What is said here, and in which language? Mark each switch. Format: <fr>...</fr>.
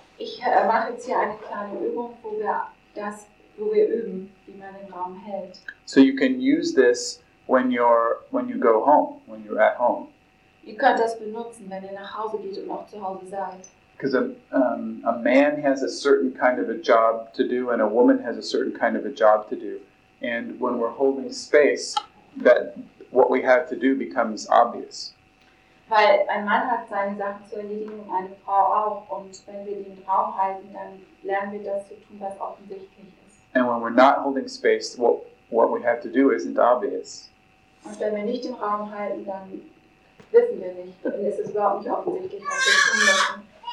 <de>Ich mache jetzt hier eine kleine Übung, wo wir üben, wie man den Raum hält.</de> <en>So you can use this when you're at home.</en> <de>Ihr könnt das benutzen, wenn ihr nach Hause geht und auch zu Hause seid.</de> <en>Because a man has a certain kind of a job to do and a woman has a certain kind of a job to do. And when we're holding space, that what we have to do becomes obvious.</en> <de>Weil ein Mann hat seine Sachen zu erledigen und eine Frau auch. Und wenn wir den Raum halten, dann lernen wir das zu tun, was offensichtlich ist.</de> <en>And when we're not holding space, what we have to do isn't obvious.</en> <de>Und wenn wir nicht den Raum halten, dann wissen wir nicht. Dann ist es überhaupt nicht offensichtlich, was wir tun müssen.</de>